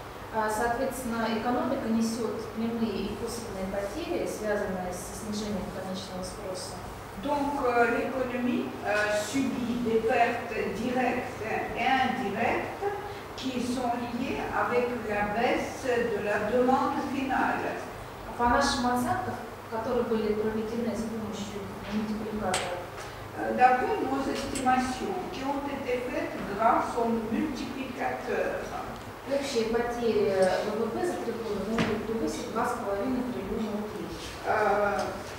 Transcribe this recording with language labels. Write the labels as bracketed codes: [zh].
[ru] Соответственно, экономика несет прямые и косвенные потери, связанные со снижением конечного спроса. [fr] Donc l'économie subit des pertes directes et indirectes qui sont liées avec la baisse de la demande finale. [ru] По нашим оценкам, которые были проведены с помощью мультипликатора. [fr] D'après nos estimations qui ont été faites grâce au multiplicateur. [ru] Общие потери ВВП за 3 года могут превысить 2,5 триллиона рублей.